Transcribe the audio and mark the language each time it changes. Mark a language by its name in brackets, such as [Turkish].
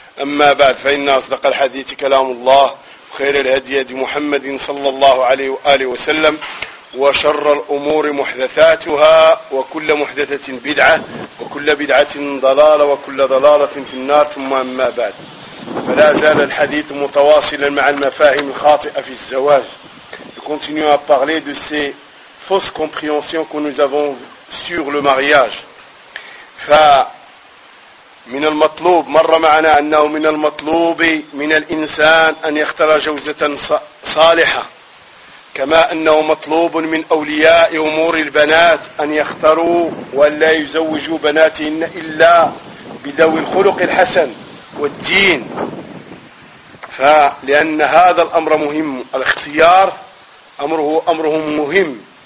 [Arabic] أما بعد، فإن أصدق الحديث كلام الله، خير الهدي هدي محمد صلى الله عليه وآله وسلم، وشر الأمور محدثاتها، وكل محدثة بدعة، وكل بدعة ضلالة، وكل ضلالة في النار. ثم أما بعد، فلا زال الحديث متواصلا مع المفاهيم الخاطئة في الزواج. [French] Nous continuons à parler de ces fausses compréhensions que nous avons sur le mariage. [Arabic] من المطلوب، مر معنا أنه من المطلوب من الإنسان أن يختار جوزة صالحة، كما أنه مطلوب من أولياء أمور البنات أن يختاروا ولا يزوجوا بناتهن إلا بذوي الخلق الحسن والدين، فلأن هذا الأمر مهم، الاختيار أمرهم مهم.